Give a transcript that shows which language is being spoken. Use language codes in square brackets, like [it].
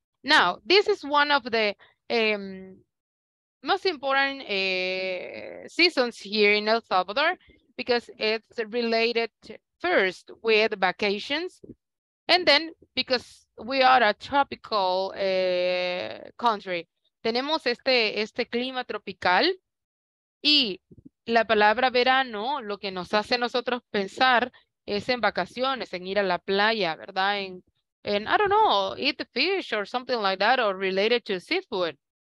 [en] Now, this is one of the most important seasons here in El Salvador because it's related first with vacations and then because we are a tropical country. [es] Tenemos este clima tropical y la palabra verano lo que nos hace a nosotros pensar es en vacaciones, en ir a la playa, ¿verdad? [en] And I don't know, eat the fish or something like that or related to seafood.